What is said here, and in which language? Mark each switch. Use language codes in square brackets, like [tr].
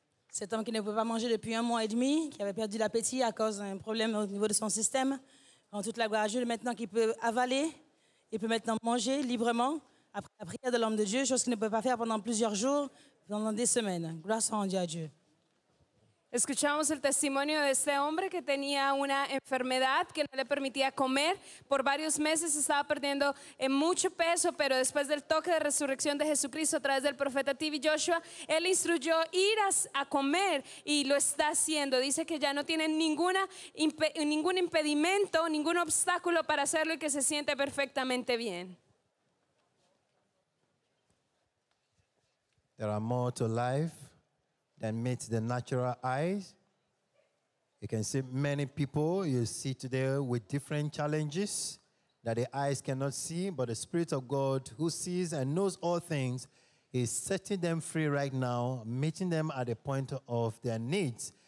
[fr] Cet homme qui ne pouvait pas manger depuis un mois et demi, qui avait perdu l'appétit à cause d'un problème au niveau de son système, en toute la gloire à Dieu, maintenant qu'il peut avaler, il peut maintenant manger librement après la prière de l'homme de Dieu, chose qu'il ne pouvait pas faire pendant plusieurs jours, pendant des semaines. Gloire soit rendue à Dieu. [es] Escuchamos el testimonio de este hombre que tenía una enfermedad que no le permitía comer. Por varios meses estaba perdiendo mucho peso, pero después del toque de resurrección de Jesucristo a través del profeta TV Joshua, él instruyó ir a comer y lo está haciendo. Dice que ya no tiene ningún impedimento, ningún obstáculo para hacerlo y que se siente perfectamente bien. [en] There are more to life than meet the natural eyes. You can see many people you see today with different challenges that the eyes cannot see, but the Spirit of God, who sees and knows all things, is setting them free right now, meeting them at the point of their needs.